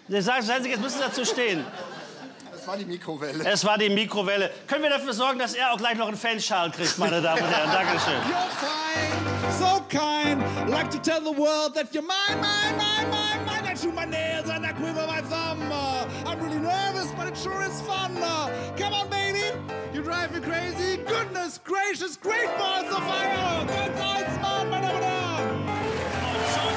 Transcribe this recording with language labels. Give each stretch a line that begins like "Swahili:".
German: Seien Sie, jetzt müssen Sie dazu stehen. Es war die Mikrowelle. Können wir dafür sorgen, dass er auch gleich noch einen Fanschal kriegt, meine Damen und Herren? Dankeschön.
English: You're fine, so kind. Like to tell the world that you're mine. I chew my nails and I quiver my thumb. I'm really nervous, but it sure is fun. Come on, baby, you drive me crazy. Goodness gracious, great balls of fire. Good times, man,
German: meine Damen und Herren.